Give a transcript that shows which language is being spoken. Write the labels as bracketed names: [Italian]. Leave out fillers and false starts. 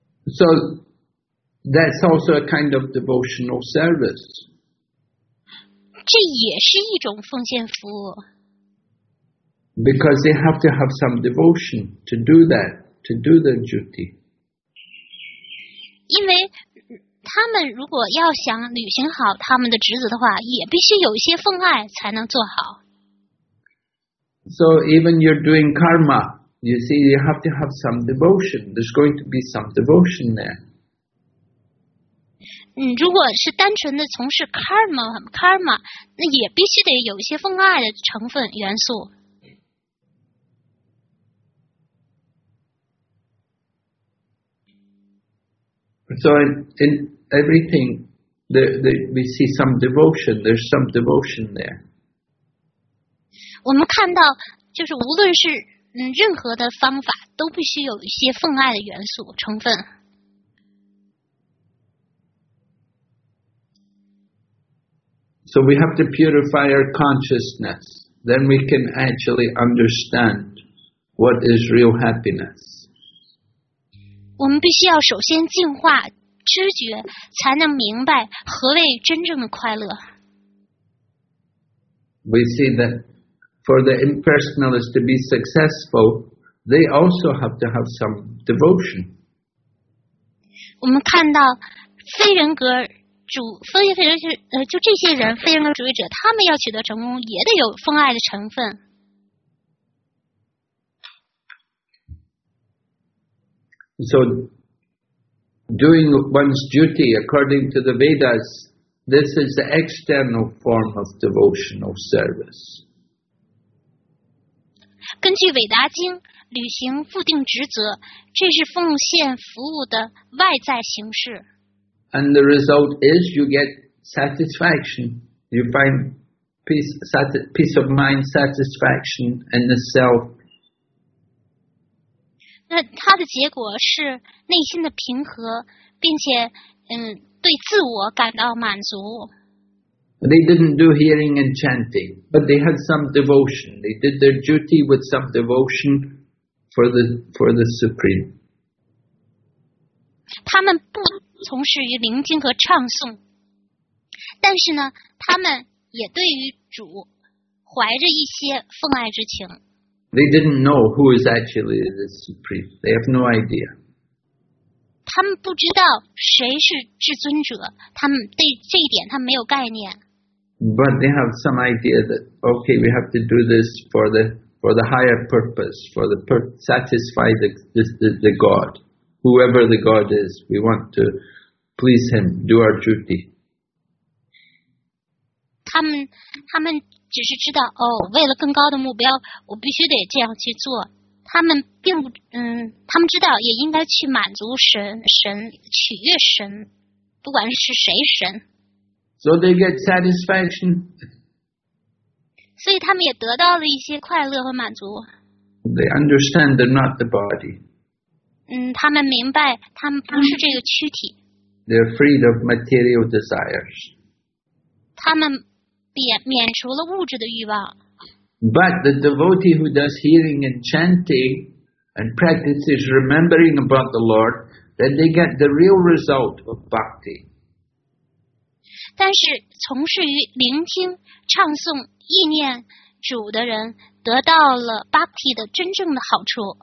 [English] So that's also a kind of devotional service. [Chinese] 这也是一种奉献服务。 [English] Because they have to have some devotion to do that, to do their duty. [Chinese] 因为他们如果要想履行好他们的职责的话，也必须有一些奉爱才能做好。 [English] So even you're doing karma, you see, you have to have some devotion. There's going to be some devotion there. [Chinese] 如果是单纯的从事 karma, 那也必须得有一些奉爱的成分元素。 [English] So in everything, we see some devotion. There's some devotion there. [Chinese] 我们看到，就是无论是任何的方法，都必须有一些奉爱的元素成分。 [English] So we have to purify our consciousness, then we can actually understand what is real happiness. [Chinese] 我们必须要首先净化知觉，才能明白何谓真正的快乐。 [English] We see that for the impersonalists to be successful, they also have to have some devotion. [Chinese] 我们看到非人格主就这些人非人格主义者，他们要取得成功，也得有奉爱的成分。 [English] So, doing one's duty according to the Vedas, this is the external form of devotional service. [Chinese] 根据韦达经，履行固定职责，这是奉献服务的外在形式。 [English] And the result is you get satisfaction. You find peace of mind, satisfaction in the self. [Chinese] 那它的结果是内心的平和，并且对自我感到满足。 [English] They didn't do hearing and chanting, but they had some devotion. They did their duty with some devotion for the Supreme. [Chinese] 他们不从事于聆听和唱诵，但是呢，他们也对于主怀着一些奉爱之情。 [English] They didn't know who is actually the supreme. They have no idea. [Chinese] 他们不知道谁是至尊者，他们对这一点他们没有概念。 [English] But they have some idea that okay, we have to do this for the higher purpose, satisfy the God. Whoever the God is, we want to please Him, do our duty. [Chinese] 他们只是知道哦，为了更高的目标，我必须得这样去做。他们并不他们知道也应该去满足神，取悦神，不管是谁神。 [English] So they get satisfaction. [Chinese] 所以他们也得到了一些快乐和满足。 [English] They understand they're not the body. [Chinese] 他们明白他们不是这个躯体。 [English] They're freed of material desires. [Chinese] 他们免除了物质的欲望。 [English] But the devotee who does hearing and chanting and practices remembering about the Lord, then they get the real result of bhakti. [Chinese] 但是从事于聆听、唱诵、意念主的人得到了 bhakti 的真正的好处。